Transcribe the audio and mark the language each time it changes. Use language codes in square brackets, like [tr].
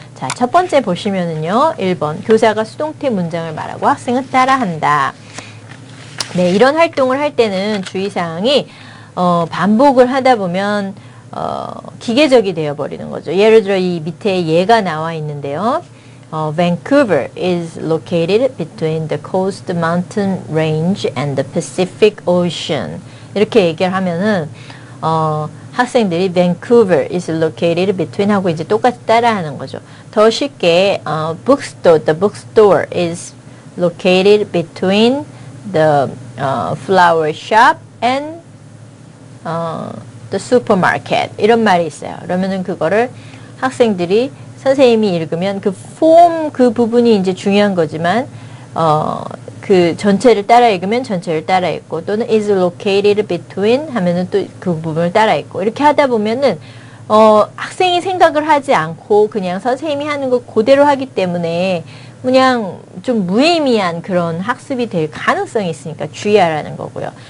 [ko] 자, 첫 번째 보시면은요. 1번 교사가 수동태 문장을 말하고 학생은 따라한다. 네, 이런 활동을 할 때는 주의사항이 반복을 하다 보면 기계적이 되어버리는 거죠. 예를 들어 이 밑에 예가 나와 있는데요. [en] Vancouver is located between the coast mountain range and the Pacific Ocean. [ko] 이렇게 얘기를 하면은 학생들이 [en] Vancouver is located between [ko] 하고 이제 똑같이 따라하는 거죠. 더 쉽게 [en] the bookstore is located between the flower shop and the supermarket [ko] 이런 말이 있어요. 그러면은 그거를 학생들이 선생님이 읽으면 그 form 그 부분이 이제 중요한 거지만 그 전체를 따라 읽으면 전체를 따라 읽고 또는 [en] is located between [ko] 하면은 또 그 부분을 따라 읽고 이렇게 하다 보면은 학생이 생각을 하지 않고 그냥 선생님이 하는 걸 그대로 하기 때문에 그냥 좀 무의미한 그런 학습이 될 가능성이 있으니까 주의하라는 거고요.